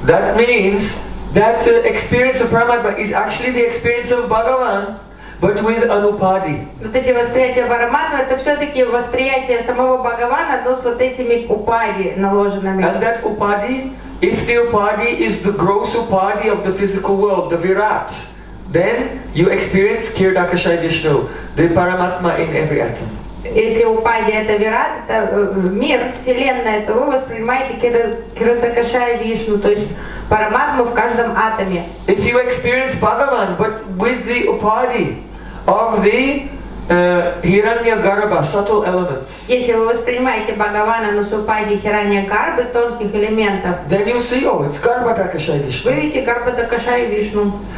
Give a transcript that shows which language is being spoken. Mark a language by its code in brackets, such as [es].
[en] That means that experience of Параматма is actually the experience of Bhagavan, but with anupadi. [ru] Вот эти восприятия параматмы это все-таки восприятие самого Бхагавана, но с вот этими упади наложенными. [en] And that upadi, if the upadi is the gross upadi of the physical world, the virat, then you experience Kirdakshaya Vishnu, the Paramatma in every atom. [ru] Если упади это вират, это мир, вселенная, то вы воспринимаете Кирдакшая Вишну, то есть параматму в каждом атоме. [en] If you experience Bhagavan, but with the upadi of the Hiranyagarbha, subtle elements. [ru] Если вы воспринимаете Бхагавана, но с упади Хираньягарбы, тонких элементов. [en] Then you see, oh, it's Гарбхадакшая Вишну. [ru] Вы видите Гарбхадакшая Вишну.